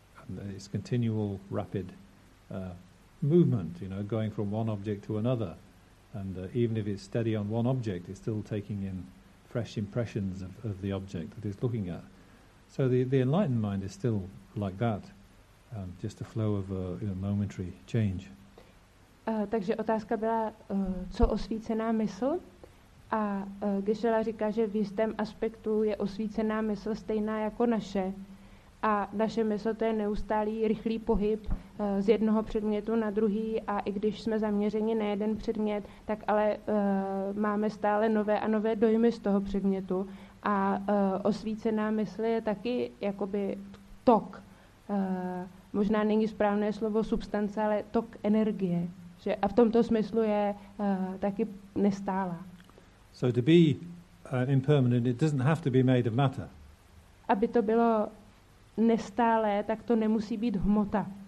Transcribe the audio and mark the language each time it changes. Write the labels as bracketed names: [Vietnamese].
[English] And it's continual, rapid movement, you know, going from one object to another. And even if it's steady on one object, it's still taking in fresh impressions of the object that it's looking at. So the enlightened mind is still like that, just a flow of momentary change. [Czech] Takže otázka byla, co osvícená mysl? A Geshe-la říká, že v jistém aspektu je osvícená mysl stejná jako naše. A naše mysl to je neustálý, rychlý pohyb z jednoho předmětu na druhý a i když jsme zaměřeni na jeden předmět, tak ale máme stále nové a nové dojmy z toho předmětu. A osvícená mysl je taky jakoby tok. Možná není správné slovo substance, ale tok energie. Že a v tomto smyslu je taky nestálá. [English] So to be impermanent, it doesn't have to be made of matter. [Czech] Aby to bylo nestálé, tak to nemusí být hmota.